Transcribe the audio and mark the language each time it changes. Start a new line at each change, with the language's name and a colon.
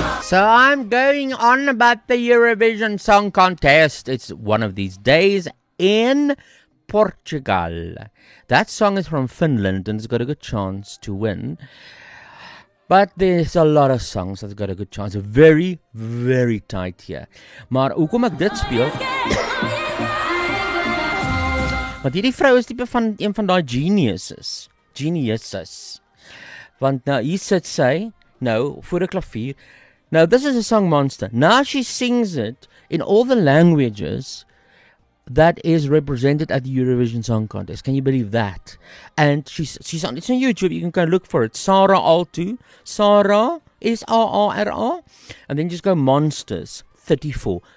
English: So I'm going on about the Eurovision Song Contest. It's one of these days in Portugal. That song is from Finland and it's got a good chance to win. But there's a lot of songs that's got a good chance.
Afrikaans: Very, very tight here. Maar hoekom ek dit speel? Want hierdie vrou is tipe van een van daai geniuses. Geniuses. Want nou hier sit sy nou voor 'n klavier.
English: Now, this is a song monster. Now, she sings it in all the languages that is represented at the Eurovision Song Contest. Can you believe that? And she's on, it's on YouTube. You can go look for it. Sara Altu. Sara, S-A-R-A. And then just go Monsters, 34.